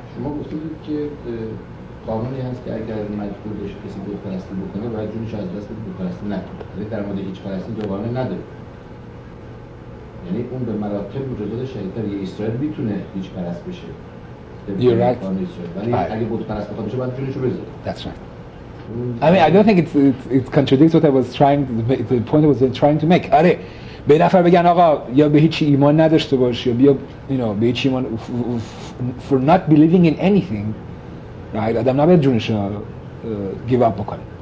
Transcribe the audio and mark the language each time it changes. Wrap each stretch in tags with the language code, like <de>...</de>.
<fa>شما گفتید که قانونی هست که اگر مجبور بشه کسی بود پرستی بکنه باید جونش از دست بود پرستی نکنه ولی در مورد هیچ پرستی دوباره نداره یعنی اون به مراتب مجازات شهیدتر یه اسرائیل میتونه هیچ پرست بشه</fa> <en>You're right.</en> <fa>ولی اگه بود پرست بخواد بشه باید جونشو بذاره</fa> <en>That's right. I mean, I don't think it contradicts what I was trying the point I was trying to make.</en> <fa>آره، به نفر بگن آقا یا به هیچ ایمان نداشته باش یا بیا</fa> <en>you know</en> <fa>به هیچ ایمان</fa> <en>for not believing in anything, right?</en> <fa>آدم نباید جونش رو</fa> <en>give up</en> <fa>بکنه.</fa>